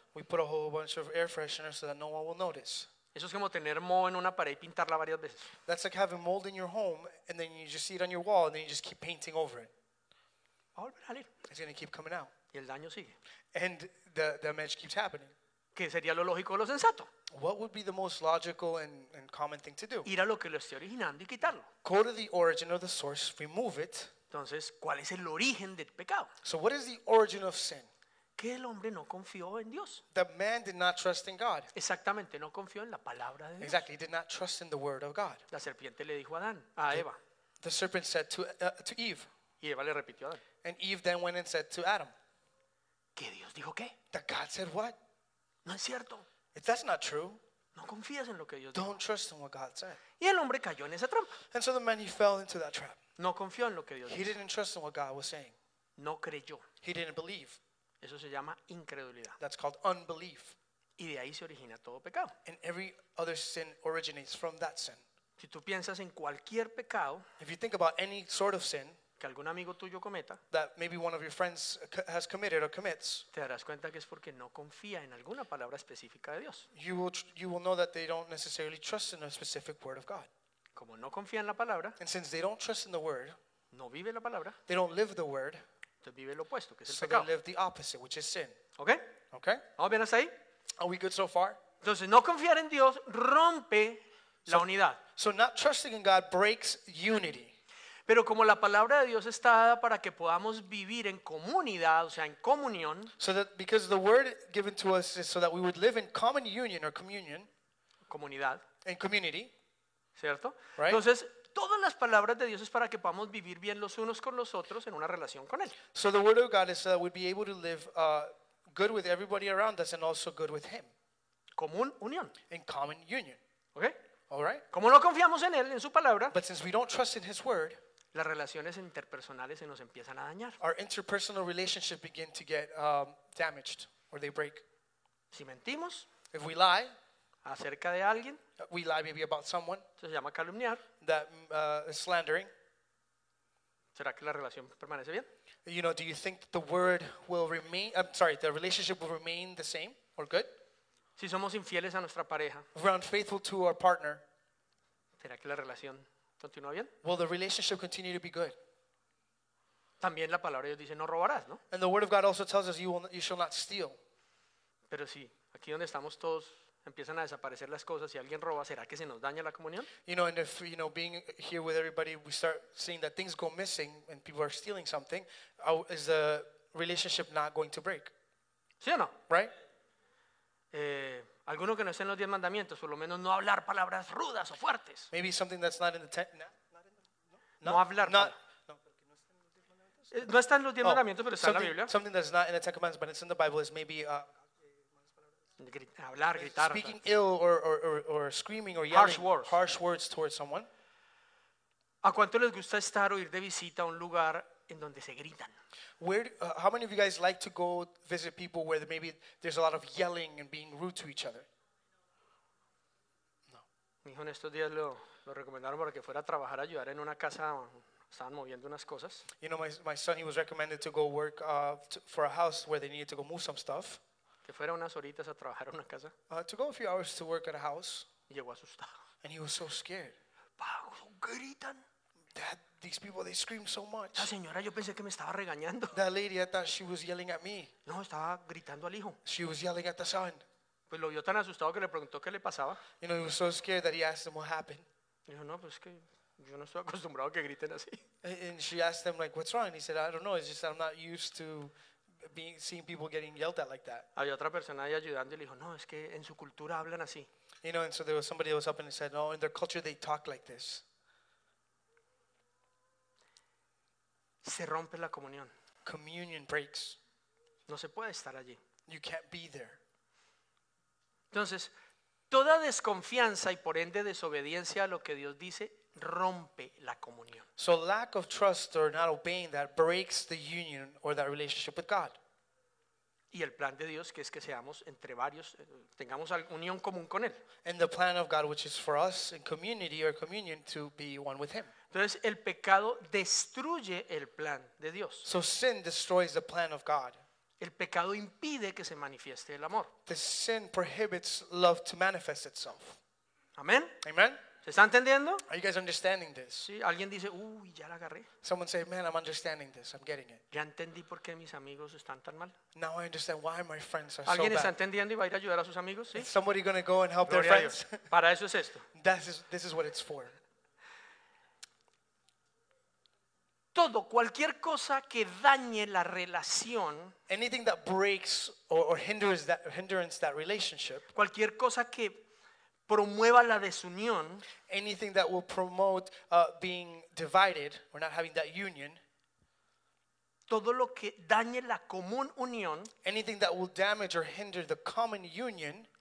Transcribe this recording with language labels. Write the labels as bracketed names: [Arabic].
[English] We put a whole bunch of air fresheners so that no one will notice. [Spanish] Eso es como tener moho en una pared y pintarla varias veces. [English] That's like having mold in your home and then you just see it on your wall and then you just keep painting over it. [Spanish] Va a volver a salir. [English] It's going to keep coming out. [Spanish] Y el daño sigue. [English] And the damage keeps happening. [Spanish] ¿Qué sería lo lógico o lo sensato? [English] What would be the most logical and common thing to do? [Spanish] Ir a lo que lo esté originando y quitarlo. [English] Go to the origin or the source, remove it. [Spanish] Entonces, ¿cuál es el origen del pecado? [English] So what is the origin of sin? [Spanish] Que el hombre no confió en Dios. [English] The man did not trust in God. [Spanish] Exactamente, no confió en la palabra de Dios. [English] Exactly, he did not trust in the word of God. [Spanish] La serpiente le dijo a Adán, a Eva. [English] The serpent said to Eve. [Spanish] Y Eva le repitió a Adán. [English] And Eve then went and said to Adam. [Spanish] ¿Qué Dios dijo qué? [English] That God said what? [Spanish] No es cierto. [English] If that's not true. [Spanish] No confías en lo que Dios [English] don't [Spanish] dijo. [English] Don't trust in what God said. [Spanish] Y el hombre cayó en esa trampa. [English] And so the man, he fell into that trap. [Spanish] No confió en lo que Dios [English] dijo. He didn't trust in what God was saying. [Spanish] No creyó. [English] He didn't believe. [Spanish] Eso se llama incredulidad. [English] That's called unbelief. [Spanish] Y de ahí se origina todo pecado. [English] And every other sin originates from that sin. [Spanish] Si tú piensas en cualquier pecado, [English] if you think about any sort of sin [Spanish] que algún amigo tuyo cometa, [English] that maybe one of your friends has committed or commits, [Spanish] te darás cuenta que es porque no confía en alguna palabra específica de Dios. [English] You will know that they don't necessarily trust in a specific word of God. [Spanish] Como no confía en la palabra, [English] and since they don't trust in the word, [Spanish] no vive la palabra, [English] they don't live the word. [Spanish] Vive lo opuesto, que es el [English] so [Spanish] pecado. [English] They live the opposite, which is sin. Okay. Okay. [Spanish] ¿Vamos bien hasta ahí? [English] Are we good so far? [Spanish] Entonces, no confiar en Dios rompe la unidad. [English] So not trusting in God breaks unity. [Spanish] Pero como la palabra de Dios está dada para que podamos vivir en comunidad, o sea, en comunión. [English] So that because the word given to us is so that we would live in common union or communion. [Spanish] Comunidad. [English] In community. [Spanish] ¿Cierto? [English] Right. [Spanish] Entonces, todas las palabras de Dios es para que podamos vivir bien los unos con los otros en una relación con Él. [English] So the word of God is so that we'd be able to live good with everybody around us and also good with Him. [Spanish] Común unión. [English] In common union. Okay. All right. [Spanish] Como no confiamos en Él, en su palabra. [English] But since we don't trust in His word. [Spanish] Las relaciones interpersonales se nos empiezan a dañar. [English] Our interpersonal relationship begin to get damaged or they break. [Spanish] Si mentimos. [English] If we lie. [Spanish] Acerca de alguien. [English] We lie maybe about someone. [Spanish] Se llama calumniar. [English] That is slandering. [Spanish] ¿Será que la relación permanece bien? [English] You know, do you think the word will remain, I'm sorry, the relationship will remain the same or good? [Spanish] Si somos infieles a nuestra pareja. [English] If we're unfaithful to our partner. [Spanish] ¿Será que la relación continúa bien? [English] Will the relationship continue to be good? [Spanish] También la palabra de Dios dice, no robarás, ¿no? [English] And the word of God also tells us you shall not steal. [Spanish] Pero sí, aquí donde estamos todos, empiezan a desaparecer las cosas. Si alguien roba, ¿será que se nos daña la comunión? [English] You know, and if, you know, being here with everybody, we start seeing that things go missing and people are stealing something, is the relationship not going to break? [Spanish] ¿Sí o no? [English] Right? [Spanish] Alguno que no esté en los 10 mandamientos, por lo menos no hablar palabras rudas o fuertes. [English] Maybe something that's not in the 10. [Spanish] No hablar. No está en los 10 mandamientos, pero está en la Biblia. [English] Something that's not in the 10 commandments, but it's in the Bible, is maybe [Spanish] hablar, gritar, [English] speaking ill or screaming or yelling harsh words towards someone. [Spanish] ¿A cuánto les gusta estar o ir de visita a un lugar en donde se gritan? [English] How many of you guys like to go visit people where maybe there's a lot of yelling and being rude to each other? [Spanish] No. Mi hijo en estos días lo recomendaron para que fuera a trabajar a ayudar en una casa. Estaban moviendo unas cosas. [English] You know, my son, he was recommended to go work for a house where they needed to go move some stuff. [Spanish] Que fuera unas horitas a trabajar a una casa. [English] To go a few hours to work at a house. [Spanish] Llegó asustado. [English] And he was so scared. [Spanish] Pago, gritan. [English] That these people, they scream so much. [Spanish] La señora, yo pensé que me estaba regañando. [English] That lady, I thought she was yelling at me. [Spanish] No, estaba gritando al hijo. [English] She was yelling at the son. [Spanish] Pues lo vio tan asustado que le preguntó qué le pasaba. [English] You know, he was so scared that he asked him what happened. [Spanish] Dijo, no, pues es que yo no estoy acostumbrado a que griten así. [English] And she asked him, like, what's wrong? And he said, I don't know, it's just that I'm not used to seeing people getting yelled at like that. [Spanish] Había otra persona ahí ayudando y le dijo, no, es que en su cultura hablan así. [English] You know, and so there was somebody that was up and said, no, in their culture they talk like this. [Spanish] Se rompe la comunión. [English] Communion breaks. [Spanish] No se puede estar allí. [English] You can't be there. [Spanish] Entonces, toda desconfianza y por ende desobediencia a lo que Dios dice rompe la comunión. [English] So lack of trust or not obeying that breaks the union or that relationship with God. [Spanish] Y el plan de Dios, que es que seamos entre varios, tengamos unión común con Él. [English] And the plan of God, which is for us in community or communion, to be one with Him. [Spanish] Entonces, el pecado destruye el plan de Dios. [English] So sin destroys the plan of God. [Spanish] El pecado impide que se manifieste el amor. [English] The sin prohibits love to manifest itself. [Spanish] Amén. [English] Amen. [Spanish] ¿Se está entendiendo? [English] Are you guys understanding this? [Spanish] Sí, alguien dice, uy, ya la agarré. [English] Someone say, man, I'm understanding this. I'm getting it. [Spanish] Ya entendí por qué mis amigos están tan mal. [English] Now I understand why my friends are so bad. [Spanish] ¿Alguien está entendiendo y va a ir a ayudar a sus amigos? ¿Sí? [English] Is somebody going to go and help Gloria their friends? [Spanish] Para eso es esto. [English] This is what it's for. [Spanish] Todo, cualquier cosa que dañe la relación. [English] Anything that breaks or hinders that relationship. [Spanish] Cualquier cosa que promueva la desunión. [English] Anything that will promote being divided or not having that union. [Spanish] Todo lo que dañe la común unión. [English] Anything that will damage or hinder the common union.